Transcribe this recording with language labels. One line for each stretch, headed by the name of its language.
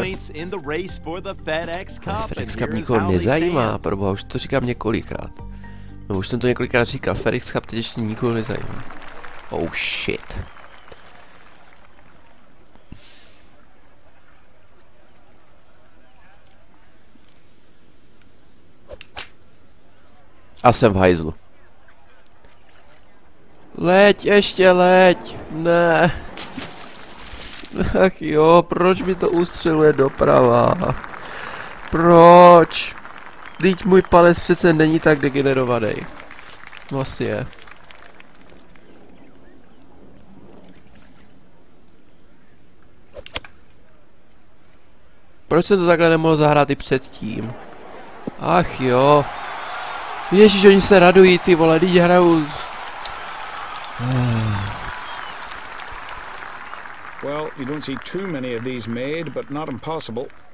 English: Points in the race for the FedEx Cup.
Czech: Ale FedEx Cup nikoho nezajímá, proboha, už to říkám několikrát. No už jsem to několikrát říkal, FedEx Cup teď ještě nikoho nezajímá.
English: Oh shit.
Czech: A jsem v hajzlu. Leď, ještě leď. Ne. Ach jo, proč mi to ustřeluje doprava? Proč? Teď můj palec přece není tak degenerovaný. Asi je. Proč jsem to takhle nemohl zahrát i předtím? Ach jo. Ježíš, oni se radují, ty vole, teď hrajou.
English: Well, you don't see too many of these made, but not impossible.